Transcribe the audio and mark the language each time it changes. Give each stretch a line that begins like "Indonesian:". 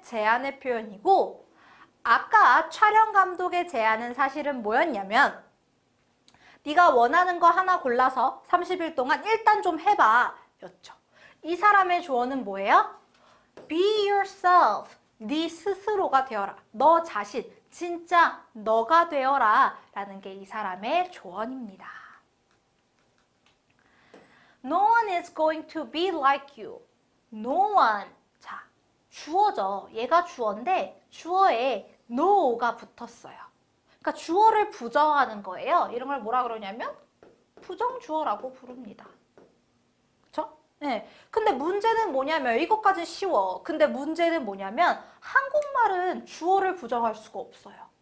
Korean: 제안의 표현이고 아까 촬영 감독의 제안은 사실은 뭐였냐면 네가 원하는 거 하나 골라서 30일 동안 일단 좀 해봐. 였죠. 이 사람의 조언은 뭐예요?
English: Be yourself.
Korean: 네 스스로가 되어라. 너 자신, 진짜 너가 되어라. 라는 게이 사람의 조언입니다.
English: No one is going to be like you.
Korean: No one. 자, 주어죠. 얘가 주어인데 주어에 no가 붙었어요. 그러니까 주어를 부정하는 거예요. 이런 걸 뭐라 그러냐면 부정주어라고 부릅니다. 네. 근데 문제는 뭐냐면, 이것까지 쉬워. 근데 문제는 뭐냐면, 한국말은 주어를 부정할 수가 없어요.